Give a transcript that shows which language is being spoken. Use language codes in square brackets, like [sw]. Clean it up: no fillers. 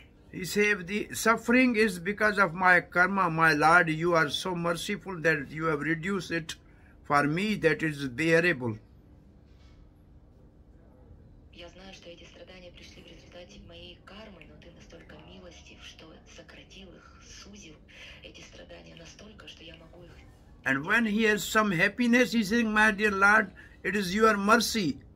[en] He said, the suffering is because of my karma, my Lord. You are so merciful that you have reduced it. For me, that is bearable. [ru] Я знаю, что эти страдания пришли в результате моей кармы, но ты настолько милостив, что сократил их, сузил эти страдания настолько, что я могу их. [en] And when he has some happiness, he says, "My dear Lord, it is your mercy.